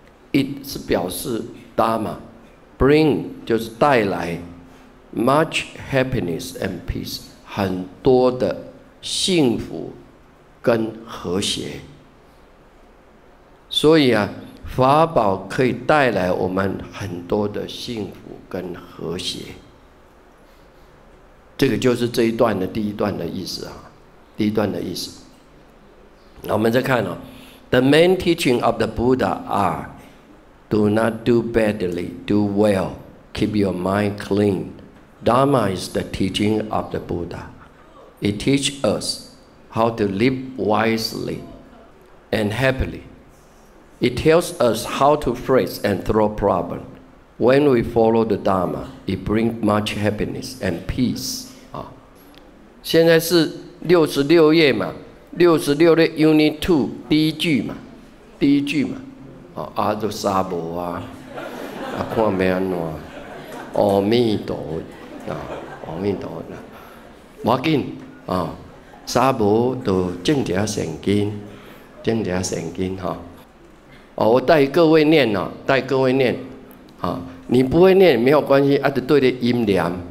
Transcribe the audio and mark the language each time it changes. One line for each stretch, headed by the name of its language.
Chinese: It 是表示 Dharma， Bring 就是带来，
English: Much happiness and peace，
Chinese: 很多的幸福跟和谐。所以啊，法宝可以带来我们很多的幸福跟和谐。这个就是这一段的第一段的意思啊，第一段的意思。那我们再看哦，
English: The main teaching of the Buddha are Do not do badly, do well, keep your mind clean. Dharma is the teaching of the Buddha. It teaches us how to live wisely and happily. It tells us how to face and throw problems. When we follow the Dharma, it brings much happiness and peace.
Chinese: 现在是66页嘛，66页 Unit 2第一句嘛，第一句嘛，阿都沙婆啊，啊看没安喏，阿弥陀啊，阿弥陀啊，无要紧啊，沙婆都正解圣经，正解圣经哈，哦，我带各位念呐，带各位念，啊，你不会念没有关系，啊，就对着音念。